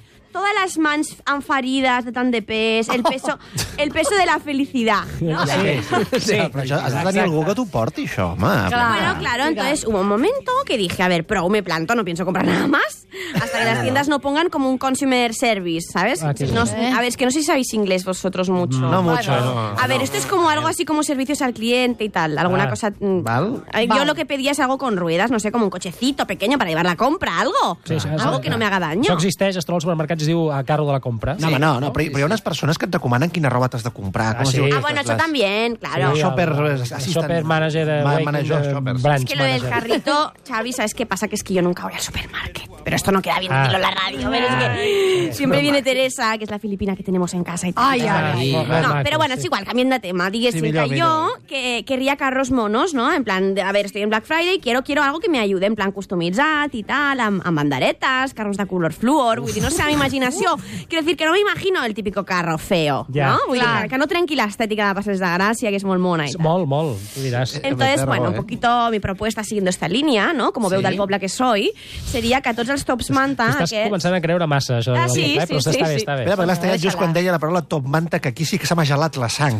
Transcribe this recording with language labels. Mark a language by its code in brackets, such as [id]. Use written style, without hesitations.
[ca] Todas las mans enfarides de tant de pes, [es] el peso de la felicidad, [ca] ¿no? Sí. Has de tenir algú que t'ho porti, això, home. [es] Bueno, claro, entonces hubo un momento que dije, a ver, prou, me planto, no pienso comprar nada más, hasta que las tiendas no pongan como un [en] consumer service, [es] ¿sabes? A ver, es que no sé si sabéis inglés vosotros mucho. No mucho. A ver, esto es como algo así como servicios al cliente y tal, alguna cosa... ¿Vale? Yo lo que pedía es algo con ruedas, no sé, como un cochecito pequeño para llevar la compra, algo. Algo que no me haga daño. [ca] Això existeix, es troba al supermercat, que ets diu a carro de la compra. No, sí. No, però hi ha unes persones que et recomanen quina roba t'has de comprar. Ah, sí. Això també, claro. [en] Sí, shopper, shopper manager de... Branch. [es] Es que lo del carrito, Xavi, ¿sabes qué pasa? Que es que yo nunca voy al supermarket. Pero esto no queda bien decirlo en la radio. Pero es que siempre viene Teresa, que es la filipina que tenemos en casa. Pero bueno, es igual, cambiando de tema. [ca] Diguéssim que [es] yo querría carros monos, ¿no? En plan, a ver, estoy en Black Friday, quiero algo que me ayude, en plan customitzat y tal, [ca] amb banderetes, carros de color fluor, vull dir, no sé, imaginació. [es] Quiero decir que no me imagino el típico carro feo, ¿no? [ca] Vull dir, que no trenqui l'estètica de Passeig de Gràcia, que és molt mona i tal. Molt, molt, tu diràs. [es] Entonces, bueno, un poquito mi propuesta siguiendo esta línea, ¿no? [ca] Como veu del poble que soy, seria que tots els Top Manta... Estàs començant a creure massa, això. Ah, sí, però està bé, està bé. Just quan deia la paraula Top Manta, que aquí sí que s'ha gelat la sang.